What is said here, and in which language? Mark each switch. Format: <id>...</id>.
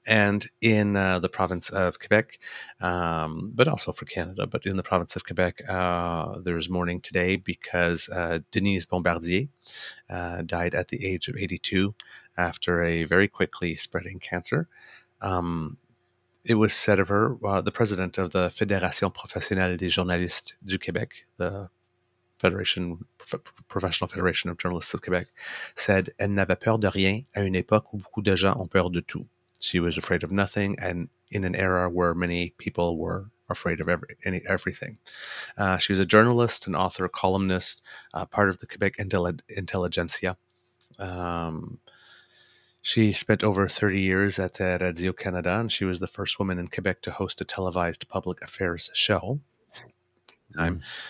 <en>And in the province of Quebec, but also for Canada, but in the province of Quebec, there's mourning today because Denise Bombardier died at the age of 82 after a very quickly spreading cancer. It was said of her, the president of the Fédération Professionnelle des Journalistes du Québec, the Federation, Professional Federation of Journalists of Quebec, said,</en> <fr>"Elle n'avait peur de rien à une époque où beaucoup de gens ont peur de tout."</fr> <en>She was afraid of nothing, and in an era where many people were afraid of everything. She was a journalist, an author, a columnist, part of the Quebec intelligentsia. She spent over 30 years at Radio-Canada, and she was the first woman in Quebec to host a televised public affairs show. Time.</en>